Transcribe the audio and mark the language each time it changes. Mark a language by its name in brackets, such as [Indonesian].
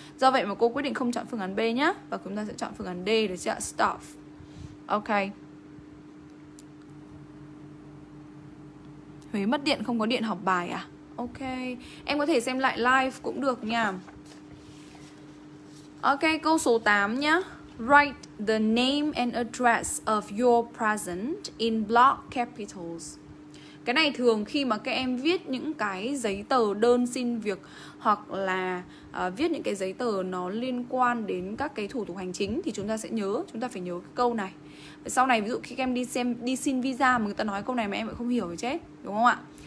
[Vietnamese] Do vậy mà cô quyết định không chọn phương án B nhá, và chúng ta sẽ chọn phương án D, được chưa? Staff. Ok. Huế mất điện, không có điện học bài à? Ok. Em có thể xem lại live cũng được nha. Ok, câu số 8 nhá. [English] Write the name and address of your present in block capitals. [Vietnamese] Cái này thường khi mà các em viết những cái giấy tờ đơn xin việc hoặc là viết những cái giấy tờ nó liên quan đến các cái thủ tục hành chính thì chúng ta sẽ nhớ, chúng ta phải nhớ cái câu này. Sau này ví dụ khi các em đi xin visa mà người ta nói câu này mà em lại không hiểu thì chết, đúng không ạ?